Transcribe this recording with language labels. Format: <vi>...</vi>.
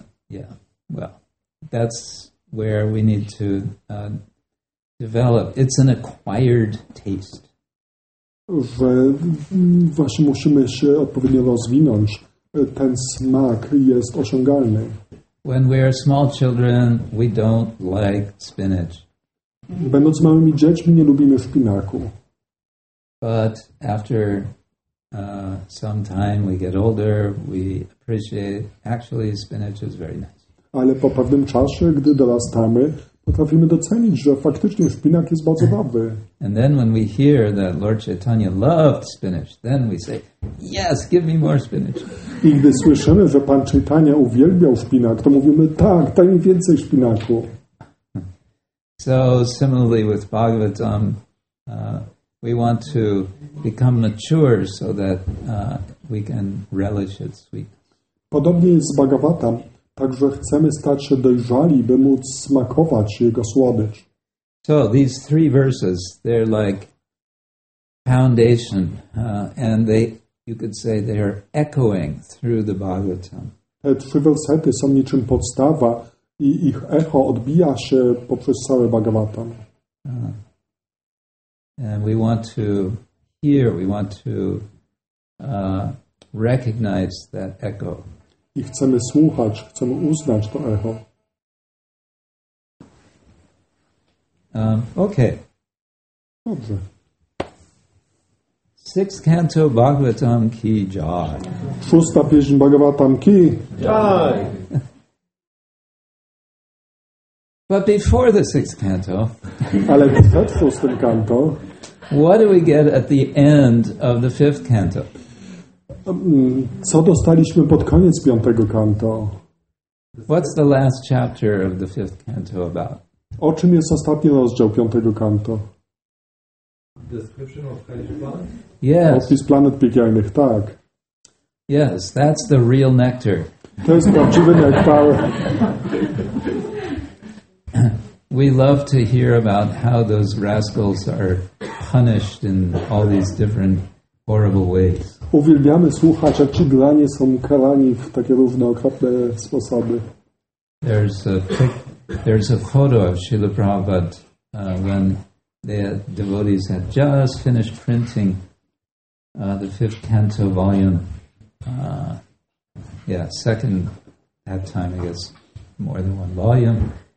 <en>Yeah, well, that's where we need to develop. It's an acquired taste.</en> <pl>Że właśnie musimy się odpowiednio rozwinąć. Ten smak jest osiągalny.</pl> <en>When we are small children, we don't like spinach.</en> <pl>Będąc małymi dziećmi, nie lubimy szpinaku.</pl> <en>But after some time we get older, we appreciate, actually spinach is very nice.</en> <pl>Ale po pewnym czasie, gdy dorastamy, potrafimy docenić, że faktycznie szpinak jest bardzo dobry.</pl> <en>And then when we hear that Lord Chaitanya loved spinach, then we say, yes, give me more spinach.</en> <pl>I gdy słyszymy, że Pan Chaitanya uwielbiał szpinak, to mówimy, tak, daj mi więcej szpinaku.</pl> <en>So similarly with Bhagavatam, we want to become mature so that we can relish its sweetness.</en> <pl>Podobnie jest z Bhagavatam, także chcemy stać się dojrzali, by móc smakować jego słodycz.</pl> <en>So these three verses, they're like foundation, and they, you could say, they are echoing through the Bhagavatam.</en> <pl>Te trzy wersety są niczym podstawa i ich echo odbija się poprzez cały Bhagavatam.</pl> <en>And we want to hear, we want to recognize that echo.</en> <pl>I chcemy słuchać, chcemy uznać to echo.</pl> <en>Okay.</en> <pl>Dobrze.</pl> <en>Sixth canto Bhagavatam ki jai.</en> <pl>Szósta pieśń Bhagavatam ki jai.</pl> <en>But before the sixth canto,</en> <pl>ale przed szóstym kanto,</pl> <en>what do we get at the end of the fifth canto?</en> <pl>Co dostaliśmy pod koniec piątego kanto?</pl> <en>What's the last chapter of the fifth canto about?</en> <pl>O czym jest ostatni rozdział piątego kanto?</pl> <en>Description of Kalispan? Yes.</en> <pl>Opis planet piekielnych, tak.</pl> <en>Yes, that's the real nectar.</en> <pl>To jest prawdziwy nektar.</pl> <en>We love to hear about how those rascals are punished in all these different horrible ways.</en> <pl>Uwielbiamy słuchać, jak ci glanie są karani w takie różne okropne sposoby.</pl> <en>There's a photo of Srila Prabhupada when the devotees had just finished printing the fifth canto volume. Second at time, I guess, more than one volume.</en>